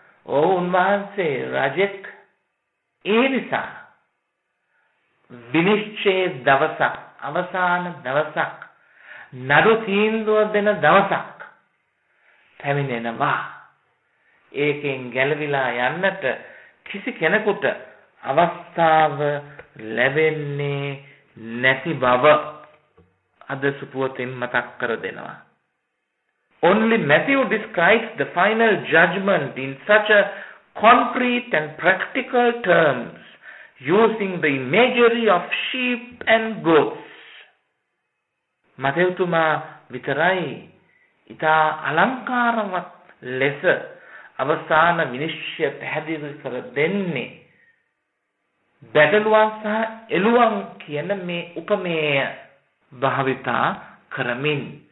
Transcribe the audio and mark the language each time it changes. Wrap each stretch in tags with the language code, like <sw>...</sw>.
<si>ඔව්, උන්වහන්සේ රජෙක්. ඒ නිසා විනිශ්චයේ දවසක්, අවසාන දවසක්, නඩු තීන්දුව දෙන දවසක් පැමිණෙනවා. ඒකෙන් ගැලවිලා යන්නට කිසි කෙනෙකුට අවස්ථාව ලැබෙන්නේ නැති බව අද සුපුවතින් මතක් කර දෙනවා.</si> <en>Only Matthew describes the final judgment in such a concrete and practical terms, using the imagery of sheep and goats.</en> <si>මතෙව්තුමා විතරයි ඉතා අලංකාරවත් ලෙස අවසාන විනිශ්චය පැහැදිලි කර දෙන්නේ බැටළුවන් සහ එළුවන් කියන මේ උපමේය භාවිතා කරමින්.</si>